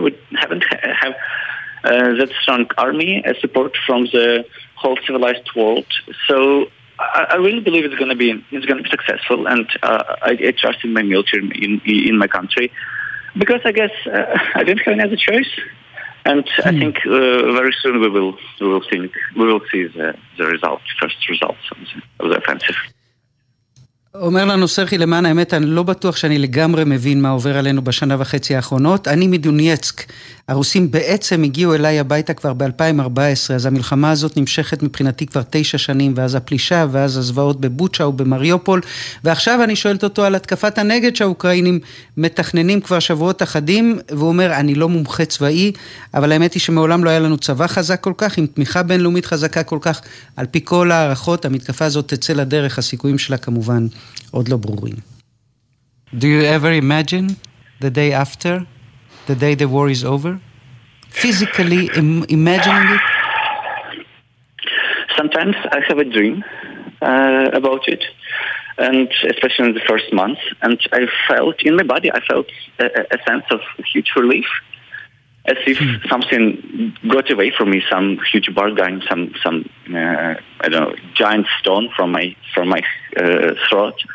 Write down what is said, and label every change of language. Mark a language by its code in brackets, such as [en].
[en] We haven't have that strong army as support from the whole civilized world, so I really believe it's going to be successful, and I trust in my military in my country, because I guess I don't have another choice, and I think very soon we will see the results, first results of the offensive. [he] אומר לנו סרחי, למען האמת, אני לא בטוח שאני לגמרי מבין מה עובר עלינו בשנה וחצי האחרונות. אני מדונייצק. הרוסים בעצם הגיעו אליי הביתה כבר ב-2014, אז המלחמה הזאת נמשכת מבחינתי כבר 9 שנים, ואז הפלישה, ואז הזוועות בבוצ'ה ובמריופול. ועכשיו אני שואלת אותו על התקפת הנגד שהאוקראינים מתכננים כבר שבועות אחדים, והוא אומר, אני לא מומחה צבאי, אבל האמת היא שמעולם לא היה לנו צבא חזק כל כך, עם תמיכה בינלאומית חזקה כל כך. על פי כל הערכות, המתקפה הזאת תצא לדרך, הסיכויים שלה כמובן עוד לא ברורים. [en] Do you ever imagine the day after, the day the war is over, physically imagining it? Sometimes I have a dream about it, and especially in the first month, and I felt in my body, I felt a sense of huge relief, as if something got away from me, some huge bargain, some I don't know, giant stone from my throat.